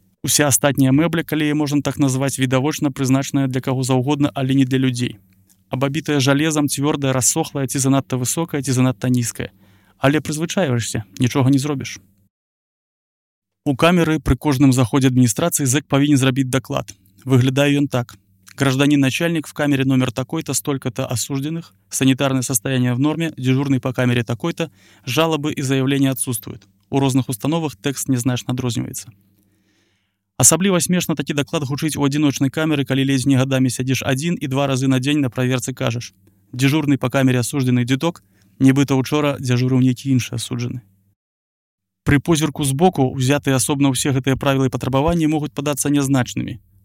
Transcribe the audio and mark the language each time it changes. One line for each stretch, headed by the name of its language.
Belarusian: Уся астатняя мэбля, калі яе можна так назваць, відавочна прызначаная для каго заўгодна, але не для людзей. Абабітая жалезам, цвёрдая, рассохлая, ці занадта высокая, ці занадта нізкая. Але прызвычайваешся, нічога не зробіш. У камеры пры кожным заходзе адміністрацыі зэк павінен зрабіць даклад. Выглядае ён так.
Russian: Гражданин начальник, в камере номер такой-то, столько-то осужденных, санитарное состояние в норме, дежурный по камере такой-то, жалобы и заявления отсутствуют.
Belarusian: У розных установах текст незначно адрозніваецца. Асабліва смешна такі даклад гучыць у адзіночнай камеры, калі ледзь не гадамі сядзіш адзін і два разы на дзень на праверцы кажаш. Дзяжурны па камеры асуджаны дзіток, нібыта учора дзяжурыў нейкі іншы асуджаны. Пры позірку збоку, узятыя асобна ўсе гэтыя правілы і патрабаванні могуць падацца нязначнымі.